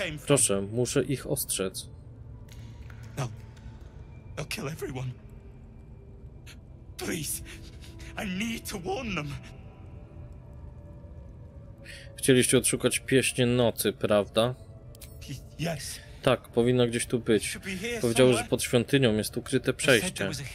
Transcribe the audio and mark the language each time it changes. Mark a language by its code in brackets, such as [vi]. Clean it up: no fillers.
[pl] Proszę, muszę ich ostrzec. [en] They'll kill everyone. Please, I need to warn them. [pl] Chcieliście odszukać pieśń nocy, prawda? [en] Yes. [pl] Tak, powinno gdzieś tu być. Powiedziały, że pod świątynią jest ukryte przejście.